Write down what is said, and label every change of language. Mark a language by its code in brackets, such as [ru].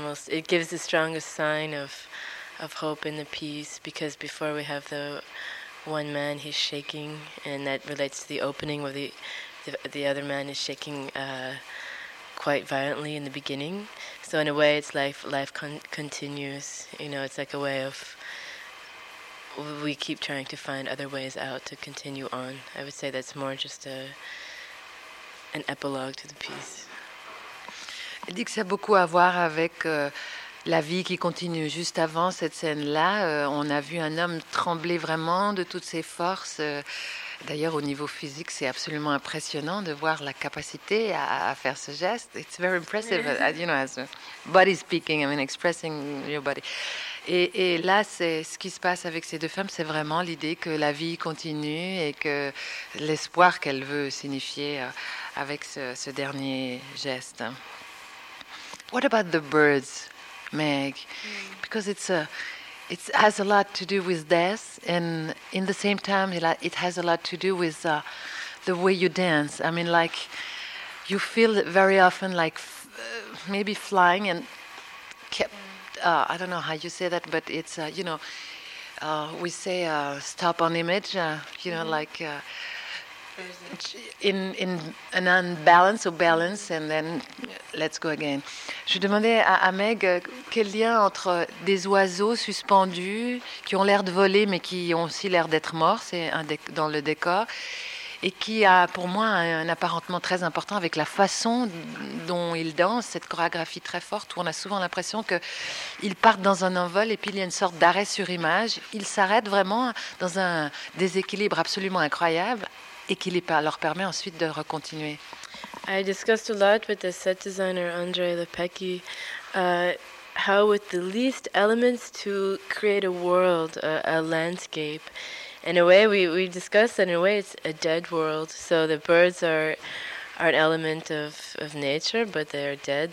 [en] It gives the strongest sign of hope and the peace, because before we have the one man, he's shaking, and that relates to the opening where the other man is shaking quite violently in the beginning. So in a way, it's like life continues. You know, it's like a way of we keep trying to find other ways out to continue on. I would say that's more just an epilogue to the piece. [fr] Elle dit que ça a beaucoup à voir avec la vie qui continue. Juste avant cette scène-là, on a vu un homme trembler vraiment de toutes ses forces. D'ailleurs, au niveau physique, c'est absolument impressionnant de voir la capacité à faire ce geste. [en] It's very impressive, you know, as a body speaking, I mean, expressing your body. [fr] Et là, c'est ce qui se passe avec ces deux femmes, c'est vraiment l'idée que la vie continue et que l'espoir qu'elle veut signifier avec ce dernier geste. [en] What about the birds, Meg? Because it's a It has a lot to do with death, and in the same time, it has a lot to do with the way you dance. I mean, like, you feel it very often, like, maybe flying and kept, I don't know how you say that, but it's, you know, we say stop on image, you know, like, in an unbalance or balance, and then let's go again. [fr] Je demandais à Meg quel lien entre des oiseaux suspendus qui ont l'air de voler mais qui ont aussi l'air d'être morts, c'est un dans le décor, et qui a pour moi un apparentement très important avec la façon dont ils dansent, cette chorégraphie très forte où on a souvent l'impression qu'ils partent dans un envol et puis il y a une sorte d'arrêt sur image. Ils s'arrêtent vraiment dans un déséquilibre absolument incroyable et qui leur permet ensuite de recontinuer. [en] I discussed a lot with the set designer André Lepecky how with the least elements to create a world, a landscape. In a way, we discussed that in a way it's a dead world. So the birds are an element of nature, but they're dead.